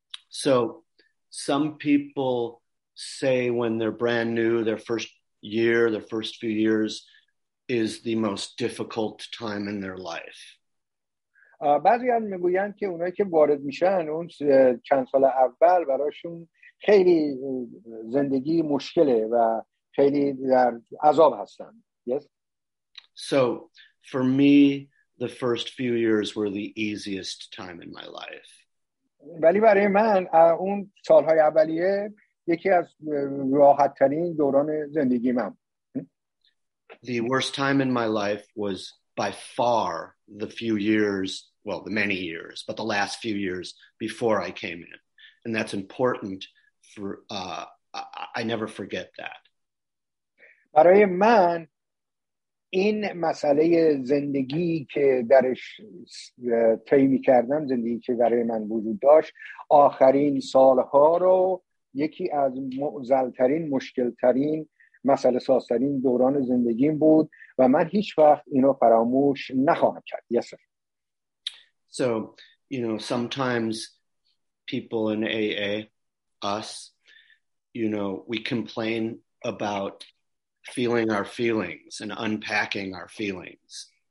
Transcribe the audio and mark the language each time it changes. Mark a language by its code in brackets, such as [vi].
[en] So some people say when they're brand new, their first year, their first few years is the most difficult time in their life. [fa] بعضی هم میگویند که اونایی که وارد میشن اون چند سال اول براشون خیلی زندگی مشکله و خیلی در عذاب هستن. [en] Yes. So for me, the first few years were the easiest time in my life. [fa] ولی برای من اون سالهای اولیه یکی از راحت ترین دوران زندگی من. [en] The worst time in my life was by far the few years, well, the many years, but the last few years before I came in. And that's important for, I never forget that. [fa] برای من این مسئله زندگی که درش طی می‌کردم، زندگی که برای من وجود داشت، آخرین سالها رو یکی از معضل‌ترین، مشکل‌ترین، مسئله‌سازترین دوران زندگیم بود و من هیچ وقت اینو فراموش نخواهم کرد. [en] Yes, sir. So, you know, sometimes people in AA, us, you know, we complain about feeling our feelings and unpacking our feelings.